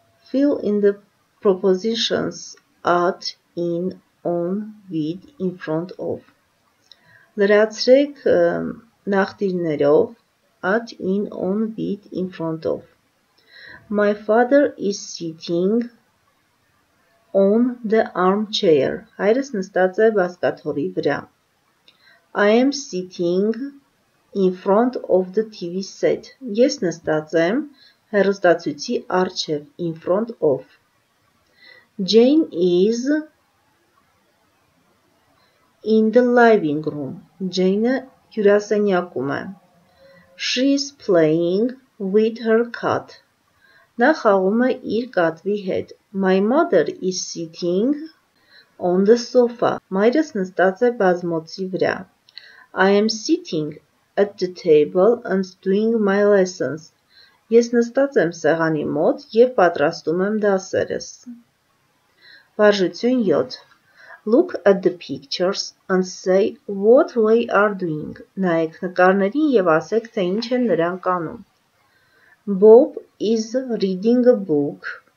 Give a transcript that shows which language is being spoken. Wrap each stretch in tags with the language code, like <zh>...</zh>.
<en>Fill in the prepositions at, in, on, with, in front of.</en> <hy>Լրացրեք նախտիրներով</hy> <en>at, in, on, with, in front of. My father is sitting on the armchair.</en> <hy>Հայրս նստած է բազկաթորի վրա.</hy> <en>I am sitting in front of the TV set.</en> <hy>Ես նստած եմ հեռուստացույցի առջև, in front of.</hy> <en>Jane is in the living room.</en> <hy>Jane-ը հյուրասենյակում է.</hy> <en>She is playing with her cat.</en> <hy>Նա խաղում է իր կատվի հետ.</hy> <en>My mother is sitting on the sofa.</en> <hy>Մայրս նստած է բազմոցի վրա.</hy> <en>I am sitting at the table and doing my lessons.</en> <hy>Ես նստած եմ սեղանի մոտ և պատրաստում եմ դասերս։ Վարժություն 7.</hy> <en>Look at the pictures and say what they are doing.</en> <hy>Նայեք նկարներին և ասեք, թե ինչ են նրանք անում։</hy> <en>Bob is reading a book.</en>